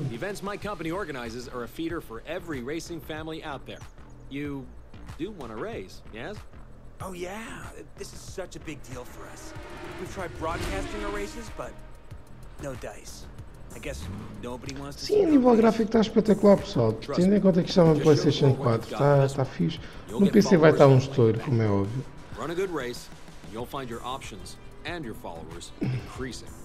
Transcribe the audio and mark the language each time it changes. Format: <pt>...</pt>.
<en>The events my company organizes are a feeder for every racing family out there. You do want to race, yes? Oh yeah, this is such a big deal for us. We've tried broadcasting our races, but no dice. I guess nobody wants to.</en> <pt>Sim, a nível gráfico está espetacular, pessoal. Tendo em conta que estava no PlayStation 4, está fixe. No PC vai estar um estouro, como é óbvio.</pt> <en>Run a good race, you'll find your options and your followers increasing.</en>